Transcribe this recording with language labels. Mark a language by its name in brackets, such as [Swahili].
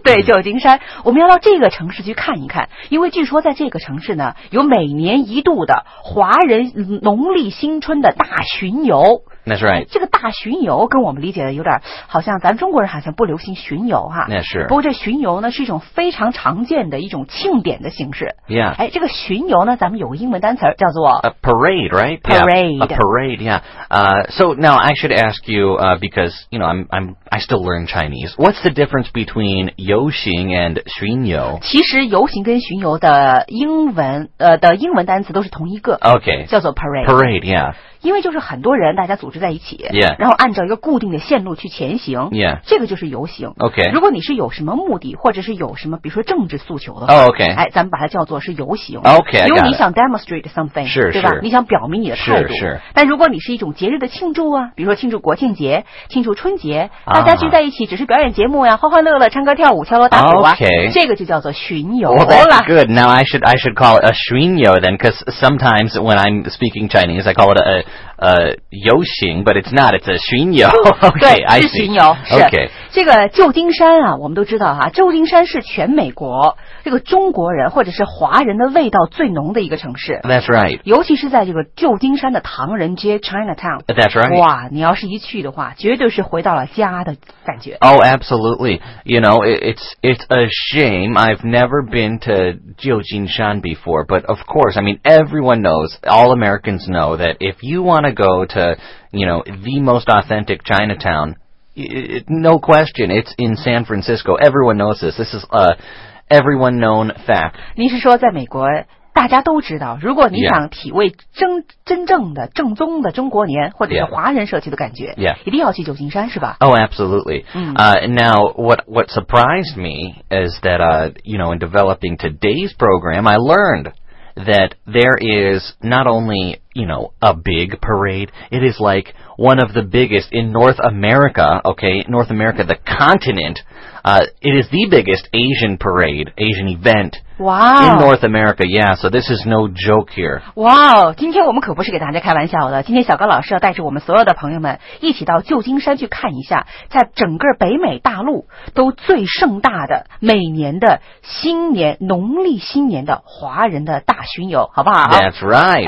[Chinese] 对，旧金山，我们要到这个城市去看一看，因为据说在这个城市呢，有每年一度的华人农历新春的大巡游。 [English] That's right. [Chinese] 这个大巡游跟我们理解的有点好像，咱们中国人好像不流行巡游哈。那是。不过这巡游呢是一种非常常见的一种庆典的形式。 [English] Yeah. [Chinese] 哎，这个巡游呢，咱们有个英文单词叫做 [English] a parade, right? Parade. Yeah, a parade. Yeah. So now I should ask you, because you know I still learn Chinese. What's the difference between 游行 and 巡游？ [Chinese] 其实游行跟巡游的英文英文单词都是同一个。 [English] Okay. [Chinese] 叫做 parade. [English] Parade. Yeah. [Chinese] 因为就是很多人大家组织在一起、 [English] yeah. [Chinese] 然后按照一个固定的线路去前行、 [English] yeah. [Chinese] 这个就是游行、 [English] okay. [Chinese] 如果你是有什么目的或者是有什么比如说政治诉求的话、 [English] oh, okay. [Chinese] 哎、咱们把它叫做是游行、 [English] okay, [Chinese] 因为你想 [English] demonstrate something [Chinese] 是对吧是你想表明你的态度是但如果你是一种节日的庆祝啊比如说庆祝国庆节庆祝春节大家聚在一起只是表演节目呀、啊、欢欢乐乐唱歌跳舞敲锣打鼓、啊 [English] okay. [Chinese] 这个就叫做巡游、 [English] well, that's good now I should call it a 巡游 then because sometimes when I'm speaking Chinese I call it a游行 but it's not, it's a 巡游 okay, [Chinese] 对是巡游 [English] I see. [Chinese] 是、okay. 这个旧金山啊我们都知道啊旧金山是全美国这个中国人或者是华人的味道最浓的一个城市 [English] That's right [Chinese] 尤其是在这个旧金山的唐人街 Chinatown [English] That's right [Chinese] 哇你要是一去的话绝对是回到了家的感觉 [English] Oh, absolutely You know, it's a shame I've never been to 旧金山 before But of course, I mean, everyone knows All Americans know that if you want to go to, you know, the most authentic Chinatown no question, it's in San Francisco Everyone knows this This is aEveryone known fact. [Chinese] 您是说在美国大家都知道如果你想体味 真正的正宗的中国年或者是华人社区的感觉、 [English] yeah. [Chinese] 一定要去旧金山是吧 [English] Oh, absolutely.、Now, what surprised me is that, you know, in developing today's program, I learned that there is not only, you know, a big parade, it is like one of the biggest in North America, okay, North America, the continent,it is the biggest Asian parade, Asian event. Wow. In North America, yeah, so this is no joke here. [Chinese] Wow, 今天我们可不是给大家开玩笑的。今天小高老师要带着我们所有的朋友们一起到旧金山去看一下在整个北美大陆都最盛大的每年的新年农历新年的华人的大巡游好不好 [English] That's right.